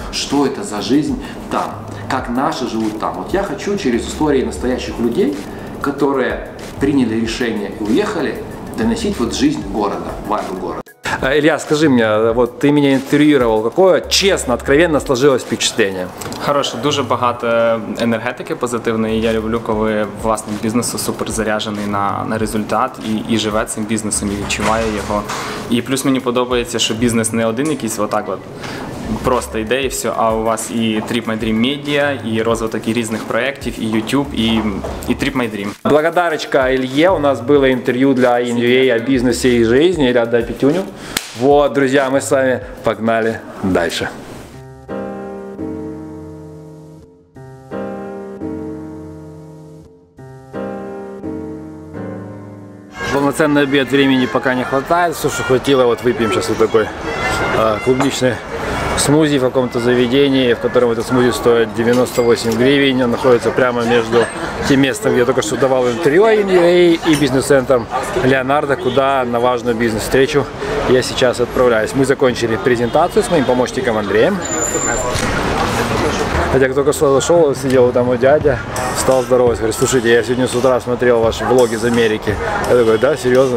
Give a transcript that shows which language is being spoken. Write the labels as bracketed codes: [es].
[ru] Что это за жизнь там? Как наши живут там? Вот я хочу через истории настоящих людей, которые приняли решение и уехали, доносить вот жизнь города, вайбу города. Илья, скажи мне, вот [uk] ти мене інтерв'ював, [ru] какое чесно, откровенно сложилось впечатление? [uk] Хороше, дуже багато енергетики позитивної. Я люблю, коли власник бізнесу супер заряжений на результат і живе цим бізнесом, і відчуває його. І плюс мені подобається, що бізнес не один якийсь отак от. Просто ідеї, все, а у вас і Trip My Dream Media, і розвиток і різних проєктів, і YouTube, і Trip My Dream. Благодарочка Ілє, у нас було інтерв'ю для InVay о бізнесі і житті. Ілля, дай пітюню. Вот, друзі, ми з вами погнали далі. [ru] Полноценний обід, времени [uk] поки не вистачає. [ru] Все, що хотіло, [uk] от вип'ємо зараз ось такий [ru] клубничний смузи в каком-то заведении, в котором этот смузи стоит 98 гривен. Он находится прямо между тем местом, где я только что давал интервью InVay и бизнес-центром Леонардо, куда на важную бизнес-встречу я сейчас отправляюсь. Мы закончили презентацию с моим помощником Андреем. Хотя, как только что зашел, сидел там у дядя, встал здоровый, говорит, слушайте, я сегодня с утра смотрел ваши влоги из Америки. Я такой, да, серьезно?